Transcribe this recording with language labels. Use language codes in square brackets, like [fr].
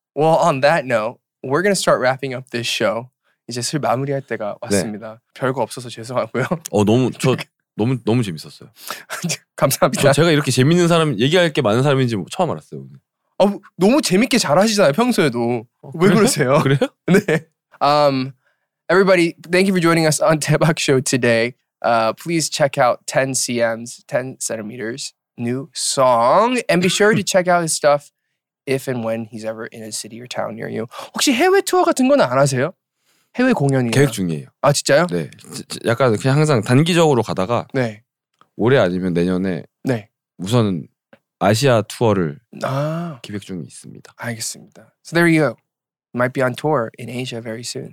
[en] Well, on that note, we're gonna start wrapping up this show. [ko] 이제 슬 마무리할 때가 왔습니다. 네. 별거 없어서 죄송하고요. 너무 재밌었어요. 감사합니다. 제가 이렇게 재밌는 사람, 얘기할 게 많은 사람인지 처음 알았어요. 오늘. 너무 재밌게 잘하시잖아요, 평소에도. 왜 그러세요? 그래요? 네. [en] Everybody, thank you for joining us on 대박 Show today. Please check out 10cm's 10 centimeters new song and be sure to check out his stuff if and when he's ever in a city or town near you. [ko] 혹시 해외 투어 같은 거는 안 하세요? 해외 공연이요? 계획 중이에요. 아 진짜요? 네. 약간 그냥 항상 단기적으로 가다가 네. 올해 아니면 내년에 네. 우선은 아시아 투어를 기획 중이 있습니다. 알겠습니다. [en] So there you go. Might be on tour in Asia very soon.